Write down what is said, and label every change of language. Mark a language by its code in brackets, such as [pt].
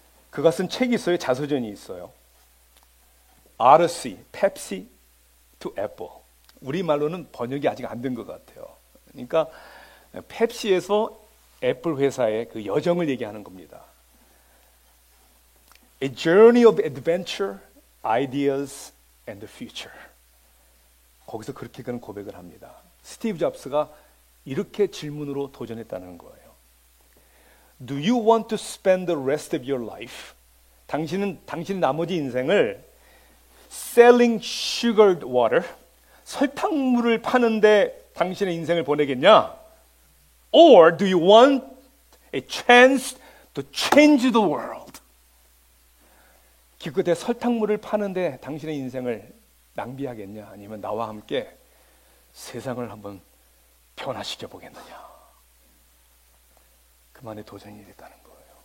[ko] 그가 쓴 책이 있어요. 자서전이 있어요. RC, 펩시 to Apple. 우리말로는 번역이 아직 안 된 것 같아요. 그러니까 펩시에서 애플 회사의 그 여정을 얘기하는 겁니다. [en] A journey of adventure, ideas, and the future. [ko] 거기서 그렇게 그런 고백을 합니다. 스티브 잡스가 이렇게 질문으로 도전했다는 거예요. [en] Do you want to spend the rest of your life? [ko] 당신은 당신의 나머지 인생을 [en] selling sugared water, [ko] 설탕물을 파는데 당신의 인생을 보내겠냐? [en] Or do you want a chance to change the world? [ko] 기껏해 설탕물을 파는데 당신의 인생을 낭비하겠냐? 아니면 나와 함께 세상을 한번 변화시켜 보겠느냐? 그만의 도전이 됐다는 거예요.